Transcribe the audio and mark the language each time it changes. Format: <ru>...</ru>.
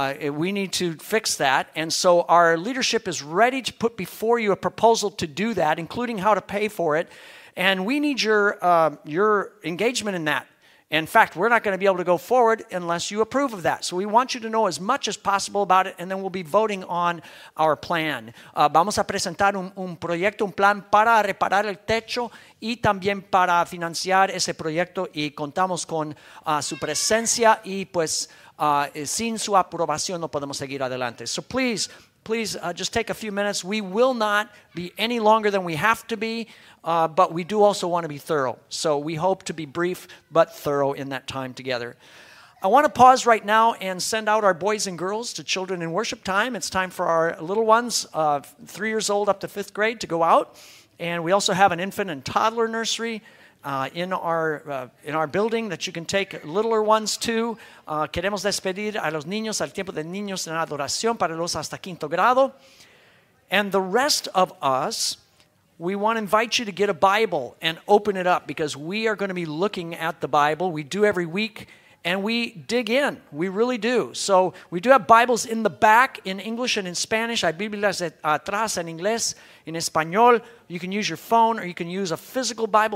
<en>We need to fix that, and so our leadership is ready to put before you a proposal to do that, including how to pay for it, and we need your engagement in that. In fact, we're not going to be able to go forward unless you approve of that. So we want you to know as much as possible about it, and then we'll be voting on our plan.</en> <es>Vamos a presentar un proyecto, un plan para reparar el techo y también para financiar ese proyecto. Y contamos con su presencia y pues sin su aprobación no podemos seguir adelante.</es> <en>So please, please just take a few minutes. We will not be any longer than we have to be. But we do also want to be thorough. So we hope to be brief but thorough in that time together. I want to pause right now and send out our boys and girls to children in worship time. It's time for our little ones, 3 years old up to fifth grade, to go out. And we also have an infant and toddler nursery in our building that you can take littler ones to.</en> <es>Queremos despedir a los niños al tiempo de niños en adoración para los hasta quinto grado.</es> <en>And the rest of us, we want to invite you to get a Bible and open it up because we are going to be looking at the Bible. We do every week, and we dig in. We really do. So we do have Bibles in the back in English and in Spanish.</en> <es>Hay Biblias atrás en inglés, en español.</es> <en>You can use your phone or you can use a physical Bible.</en>